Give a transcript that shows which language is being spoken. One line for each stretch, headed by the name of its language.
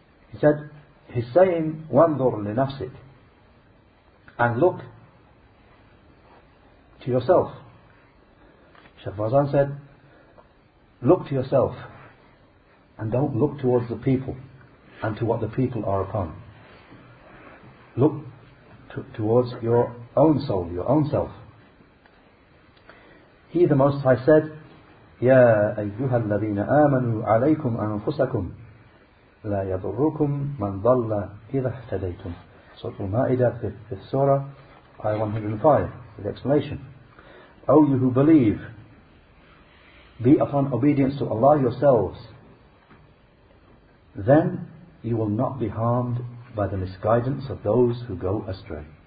English: He said, he's saying,
Arabic: وَانْظُرْ لِنَفْسِكَ,
English: and look to yourself. Sheikh Fawzan said, look to yourself and don't look towards the people and to what the people are upon. Look towards your own soul, your own self. He the Most High said,
Arabic: يَا أَيُّهَا الَّذِينَ آمَنُوا عَلَيْكُمْ أَنْفُسَكُمْ لَا يَضُرُّكُمْ مَنْ ضَلَّ إِذَا اهْتَدَيْتُمْ.
English: Surah Al-Ma'idah, 5th Surah, Ayah 105, with explanation. O you who believe, be upon obedience to Allah yourselves, then you will not be harmed by the misguidance of those who go astray.